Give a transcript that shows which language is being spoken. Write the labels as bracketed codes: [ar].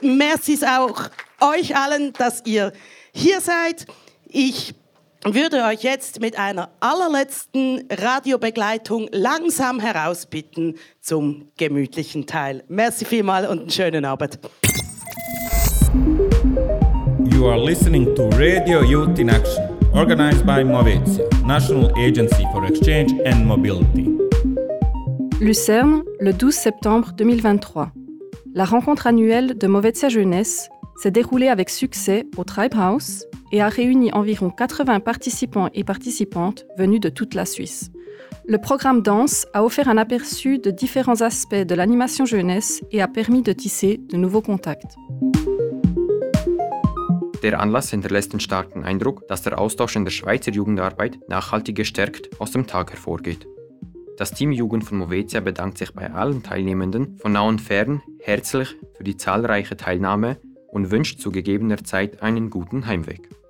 [de] Merzis auch euch allen, dass ihr hier seid. Ich würde euch jetzt mit einer allerletzten Radiobegleitung langsam herausbitten zum gemütlichen Teil. Merci vielmal und einen schönen Abend. [en] You are listening to Radio Youth in Action, organized by Movizia, National Agency for Exchange and Mobility. [fr] Lucerne, le 12 septembre 2023. La rencontre annuelle de Movizia Jeunesse s'est déroulée avec succès au Tribe House et a réuni environ 80 participants et participantes venus de toute la Suisse. Le programme danse a offert un aperçu de différents aspects de l'animation jeunesse et a permis de tisser de nouveaux contacts. [de] Der Anlass hinterlässt den starken Eindruck, dass der Austausch in der Schweizer Jugendarbeit nachhaltig gestärkt aus dem Tag hervorgeht. Das Team Jugend von Movizia bedankt sich bei allen Teilnehmenden von nah und fern herzlich für die zahlreiche Teilnahme und wünscht zu gegebener Zeit einen guten Heimweg.